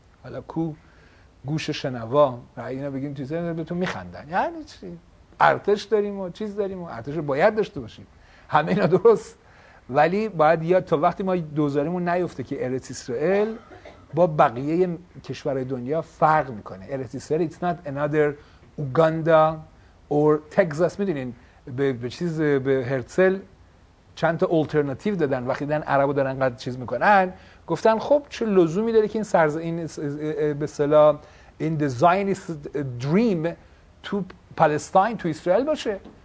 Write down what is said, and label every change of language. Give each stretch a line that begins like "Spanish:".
Persian: حالا کو گوش شنوا را اینا بگیم چیزه به تو میخندن یعنی چی؟ ارتش داریم و چیز داریم و ارتش رو باید داشته باشیم همه اینا درست ولی باید یاد تا وقتی ما دوزاریمون نیفته که ارت اسرائیل با بقیه کشورهای دنیا فرق میکنه.
English: ارتیسر it's not another Uganda or Texas.
Persian: میدونین به چیز به هرتزل چند تا آلترناتیو دادن وقتی دیدن عربو دارن انقدر چیز میکنن گفتن خب چه لزومی داره که این سرز این به اصطلاح این زاینیست دریم تو پالستین تو اسرائیل باشه.